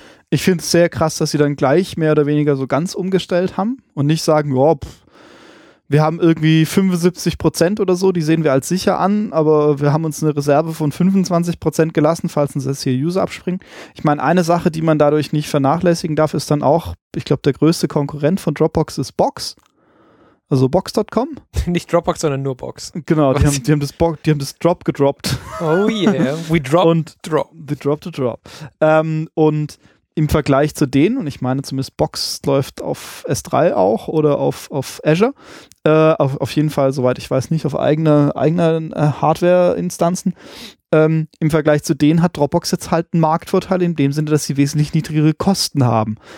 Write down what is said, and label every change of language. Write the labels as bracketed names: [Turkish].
[German] Ich finde es sehr krass, dass sie dann gleich mehr oder weniger so ganz umgestellt haben und nicht sagen, ja, wir haben irgendwie 75% oder so, die sehen wir als sicher an, aber wir haben uns eine Reserve von 25% gelassen, falls uns das hier User abspringen. Ich meine, eine Sache, die man dadurch nicht vernachlässigen darf, ist dann auch, ich glaube, der größte Konkurrent von Dropbox ist Box. Also Box.com. Nicht Dropbox, sondern nur Box. Genau, die haben das Drop gedroppt. [English] Oh yeah, we dropped the drop. [German] Und im Vergleich zu denen, und ich meine zumindest Box läuft auf S3 auch oder auf Azure, auf jeden Fall, soweit ich weiß, nicht auf eigene Hardware-Instanzen. Im Vergleich zu denen hat Dropbox jetzt halt einen Marktvorteil in dem Sinne, dass sie wesentlich niedrigere Kosten haben.